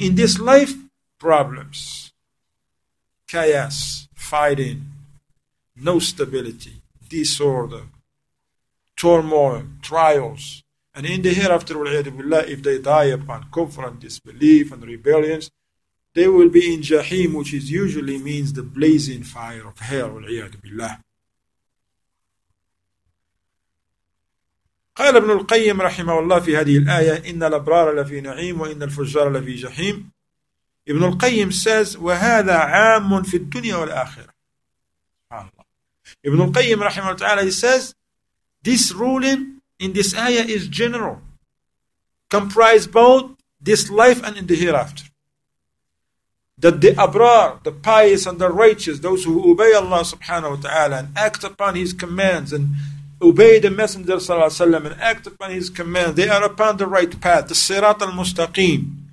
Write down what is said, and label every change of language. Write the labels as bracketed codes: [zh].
[en] In this life, problems, chaos, fighting, no stability, disorder, turmoil, trials. And in the hereafter, if they die upon kufr and disbelief and rebellions, they will be in Jahim, which is usually means the blazing fire of hell. [ar] قال ابن القيم رحمه الله في هذه الآية إن الأبرار لفي نعيم وإن الفجار لفي جحيم. ابن القيم [en] says, [ar] وهذا عام في الدنيا والآخرة. [en] ابن القيم رحمه الله says, this ruling in this ayah is general, comprise both this life and in the hereafter. That the abrar, the pious and the righteous, those who obey Allah subhanahu wa ta'ala and act upon His commands and obey the Messenger sallallahu alayhi wa sallam and act upon His commands, they are upon the right path, the sirat al-mustaqim.